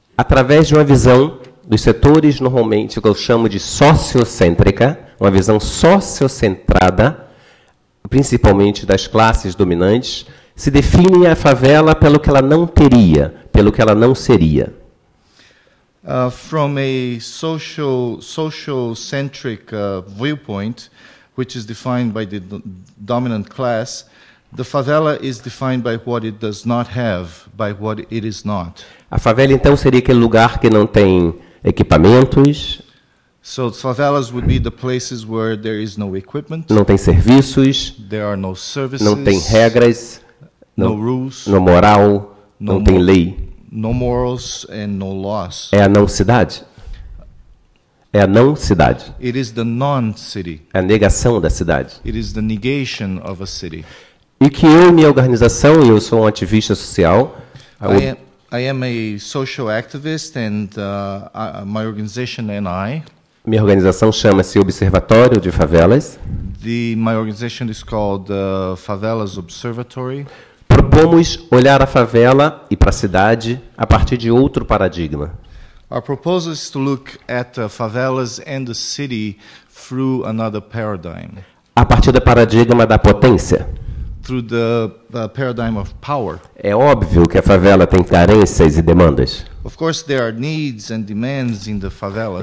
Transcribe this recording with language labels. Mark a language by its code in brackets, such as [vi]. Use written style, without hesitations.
[pt] Através de uma visão dos setores normalmente que eu chamo de sociocêntrica, uma visão sociocentrada, principalmente das classes dominantes, se define a favela pelo que ela não teria, pelo que ela não seria. [en] From a social-centric viewpoint, which is defined by the dominant class, the favela is defined by what it does not have, by what it is not. [pt] A favela, então, seria aquele lugar que não tem equipamentos. [en] So favelas would be the places where there is no equipment. [pt] Não tem serviços. [en] There are no services. [pt] Não tem regras. [en] No rules. No moral. [pt] Não tem lei. [en] No morals and no laws. [pt] É a não cidade. É a não cidade. [en] It is the non-city. [pt] É a negação da cidade. [en] It is the negation of a city. [pt] E que eu e minha organização, eu sou um ativista social. [en] I am a social activist and my organization and I. [pt] Minha organização chama-se Observatório de Favelas. [en] My organization is called Favelas Observatory. [pt] Propomos olhar a favela e para a cidade a partir de outro paradigma. [en] Our proposal is to look at favelas and the city through another paradigm. [pt] A partir do paradigma da potência. [en] Through the paradigm of power. [pt] É óbvio que a favela tem carências e demandas. [en] Of course there are needs and demands in the favelas.